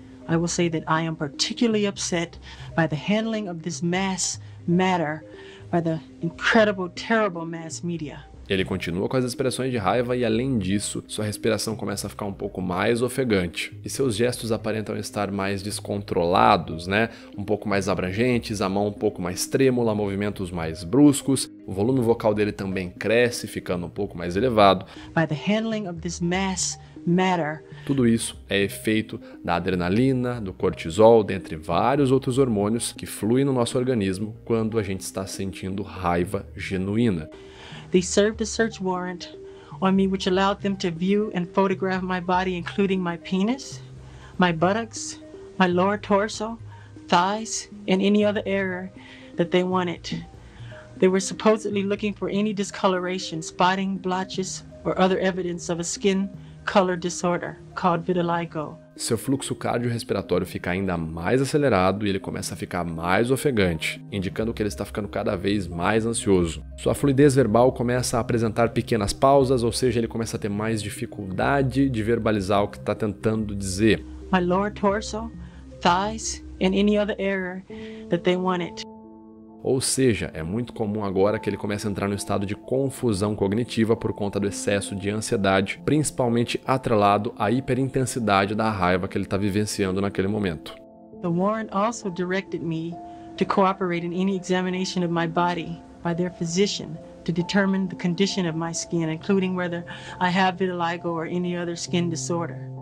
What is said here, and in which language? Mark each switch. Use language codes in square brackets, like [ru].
[en] I will say that I am particularly upset by the handling of this mass matter by the incredible, terrible mass media. [pt] Ele continua com as expressões de raiva e, além disso, sua respiração começa a ficar um pouco mais ofegante. E seus gestos aparentam estar mais descontrolados, né? Um pouco mais abrangentes, a mão um pouco mais trêmula, movimentos mais bruscos. O volume vocal dele também cresce, ficando um pouco mais elevado. [en] By the handling of this mass matter. [pt] Tudo isso é efeito da adrenalina, do cortisol, dentre vários outros hormônios que fluem no nosso organismo quando a gente está sentindo raiva genuína. [en] They served a search warrant on me, which allowed them to view and photograph my body, including my penis, my buttocks, my lower torso, thighs, and any other area that they wanted. They were supposedly looking for any discoloration, spotting, blotches, or other evidence of a skin color disorder called vitiligo. [pt] Seu fluxo cardiorrespiratório fica ainda mais acelerado e ele começa a ficar mais ofegante, indicando que ele está ficando cada vez mais ansioso. Sua fluidez verbal começa a apresentar pequenas pausas, ou seja, ele começa a ter mais dificuldade de verbalizar o que está tentando dizer. [en] My lower torso, thighs, and any other area that they wanted. [pt] Ou seja, é muito comum agora que ele comece a entrar no estado de confusão cognitiva por conta do excesso de ansiedade, principalmente atrelado à hiperintensidade da raiva que ele está vivenciando naquele momento. [en] The warrant also directed me to cooperate in any examination of my body by their physician to determine the condition of my skin, including whether I have vitiligo or any other skin disorder.